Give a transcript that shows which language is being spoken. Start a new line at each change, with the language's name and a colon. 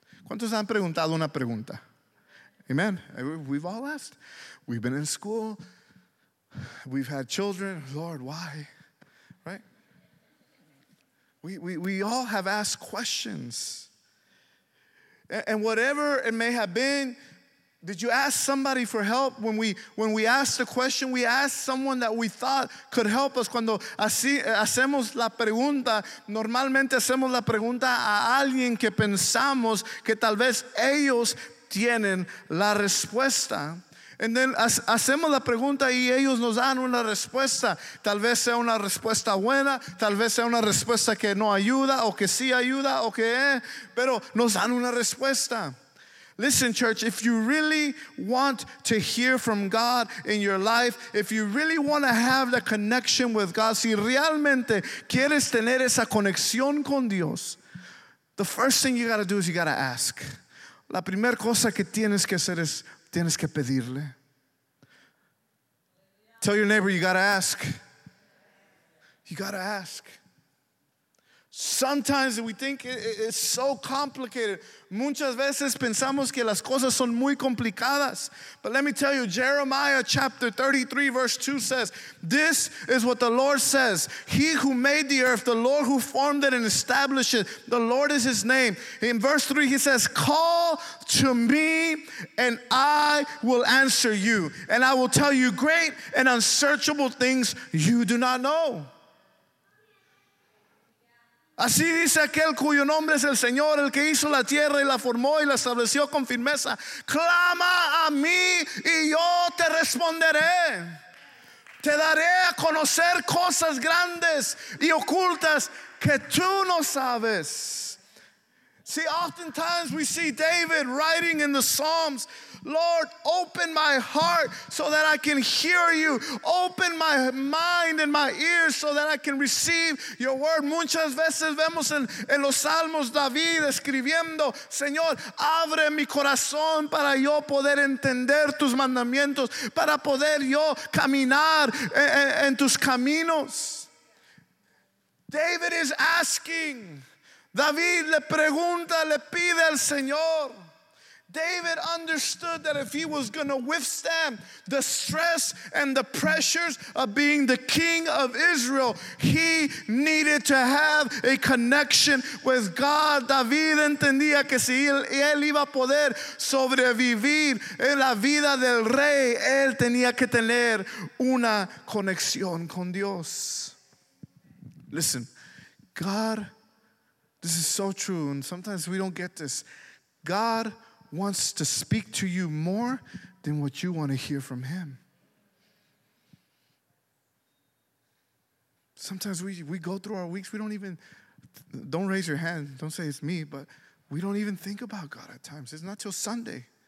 Spanish: ¿Cuántos han preguntado una pregunta?
English: Amen. We've all asked. We've been in school. We've had children. Lord, why? Right? We all have asked questions. And whatever it may have been, did you ask somebody for help when we asked a question? We asked someone that we thought could help us.
Spanish: Cuando así hacemos la pregunta, normalmente hacemos la pregunta a alguien que pensamos que tal vez ellos tienen la respuesta.
English: And then
Spanish: hacemos la pregunta y ellos nos dan una respuesta. Tal vez sea una respuesta buena, tal vez sea una respuesta que no ayuda o que sí ayuda o que pero nos dan una respuesta.
English: Listen, church, if you really want to hear from God in your life, if you really want to have the connection with God,
Spanish: si realmente quieres tener esa conexión con Dios,
English: the first thing you got to do is you got to ask.
Spanish: La primera cosa que tienes que hacer es, tienes que pedirle.
English: Tell your neighbor, you got to ask. You got to ask. Sometimes we think it's so complicated.
Spanish: Muchas veces pensamos que las cosas son muy complicadas.
English: But let me tell you, Jeremiah chapter 33 verse 2 says, this is what the Lord says. He who made the earth, the Lord who formed it and established it, the Lord is his name. In verse 3 he says, call to me and I will answer you. And I will tell you great and unsearchable things you do not know.
Spanish: Así dice aquel cuyo nombre es el Señor, el que hizo la tierra y la formó y la estableció con firmeza. Clama a mí y yo te responderé. Te daré a conocer cosas grandes y ocultas que tú no sabes.
English: See, oftentimes we see David writing in the Psalms, Lord, open my heart so that I can hear you. Open my mind and my ears so that I can receive your word.
Spanish: Muchas veces vemos en los Salmos David escribiendo, Señor, abre mi corazón para yo poder entender tus mandamientos, para poder yo caminar en tus caminos.
English: David is asking.
Spanish: David le pregunta, le pide al Señor.
English: David understood that if he was going to withstand the stress and the pressures of being the king of Israel, he needed to have a connection with God.
Spanish: David entendía que si él iba a poder sobrevivir en la vida del rey, él tenía que tener una conexión con Dios.
English: Listen, God, this is so true, and sometimes we don't get this. God wants to speak to you more than what you want to hear from him. Sometimes we go through our weeks, we don't even, don't raise your hand, don't say it's me, but we don't even think about God at times. It's not till Sunday.